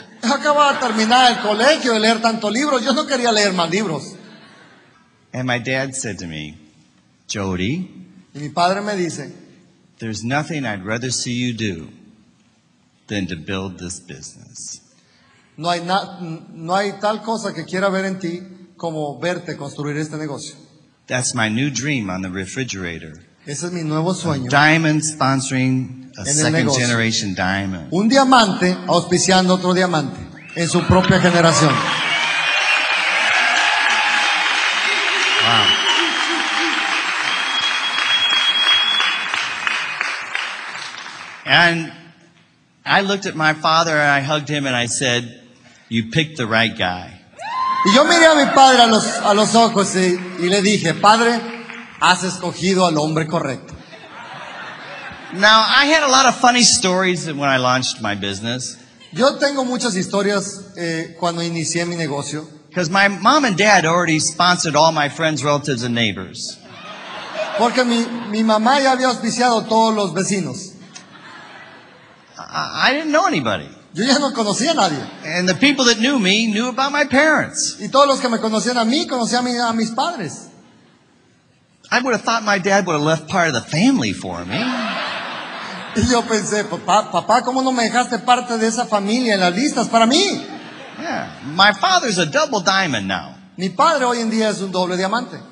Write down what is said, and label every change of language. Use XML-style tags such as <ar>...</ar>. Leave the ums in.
<en>and my dad said to me, Jody,</en> <es>y mi padre me dice,</es> <en>there's nothing I'd rather see you do than to build this business.</en> <es>No hay, na, no hay tal cosa que quiera ver en ti como verte construir este negocio.</es> <en>That's my new dream on the refrigerator. Ese diamond sponsoring a second negocio. generation diamond.</en> <es>Un diamante auspiciando otro diamante en su propia generación.</es> <en>Wow. And I looked at my father and I hugged him and I said, "You picked the right guy."</en> <es>Y yo miré a mi padre a los a los ojos y, y le dije, "Padre, has escogido al hombre correcto.</es> <en>Now, I had a lot of funny stories when I launched my business.</en> <es>Yo tengo muchas historias eh, cuando inicié mi negocio.</es> <en>Because my mom and dad already sponsored all my friends, relatives, and neighbors.</en> <es>Porque mi, mi mamá ya había auspiciado todos los vecinos.</es> <en>I, I didn't know anybody.</en> <es>Yo ya no conocía a nadie.</es> <en>And the people that knew me knew about my parents.</en> <es>Y todos los que me conocían a mí conocían a, mi, a mis padres.</es> <en>I would have thought my dad would have left part of the family for me.</en> <es>Y yo pensé, papá, papá, ¿cómo no me dejaste parte de esa familia en las listas para mí?</es> <en>Yeah, my father's a double diamond now.</en> <es>Mi padre hoy en día es un doble diamante.</es>